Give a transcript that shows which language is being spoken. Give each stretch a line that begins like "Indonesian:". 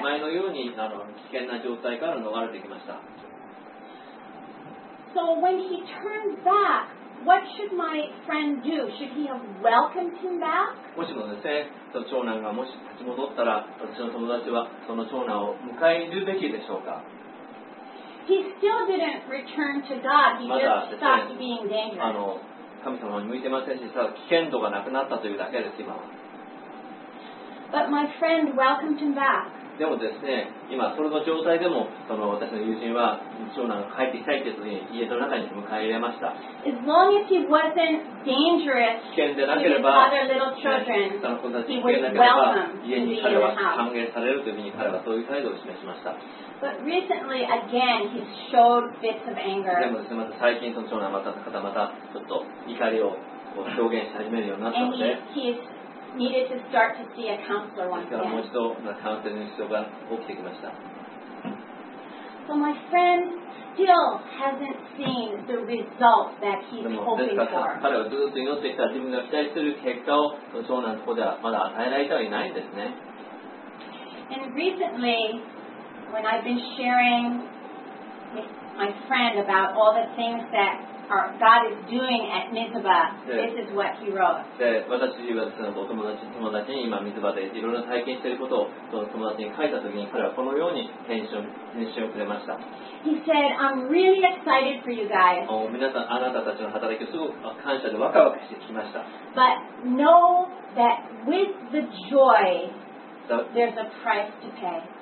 Japanese: 前のように、危険な状態から逃れてきました。
English: So when he turned back,What should my friend do? Should he have welcomed him back?
Japanese: もしもですね、その長男がもし立ち戻ったら、私の友達はその長男を迎えるべきでしょうか？
English: He still didn't return to God. He just stopped being dangerous.
Japanese: 神様に向いてませんし、ただ危険度がなくなったというだけです、今は。
English: But my friend welcomed him back.
Japanese: でもですね、今その状態でも私の友人は長男が帰ってきたいって言って家の中に迎え入れました。
English: As long as he wasn't dangerous to his other little children, he would welcome him to be in the house.
Japanese: 歓迎されるというふうに彼はそういう態度を示しました。
English: But recently, again, he showed bits of anger.
Japanese: でもですね、また最近その長男また方またちょっと怒りを表現し始めるようになったので。
English: Needed to start to see a counselor once again.
Japanese: もう一度カウンセリングが起きてきました。
English: So my friend still hasn't seen the result that he's hoping for.
Japanese: でも、ですから彼はずっと祈ってきた自分が期待する結果を長男の方ではまだ与えられてはいないんですね。
English: And recently, when I've been sharing with my friend about all the things that God is doing at Mizpah. This is what he wrote.
Japanese: で、私はその友達に今ミズバでいろいろ体験していることをその友達に書いたときに彼はこのように返信をくれました。
English: He said, "I'm really excited for you guys."
Japanese: お、皆さんあなたたちの働きをすごく感謝でワクワクしてきました。
English: But know that with the joy, there's a price to pay.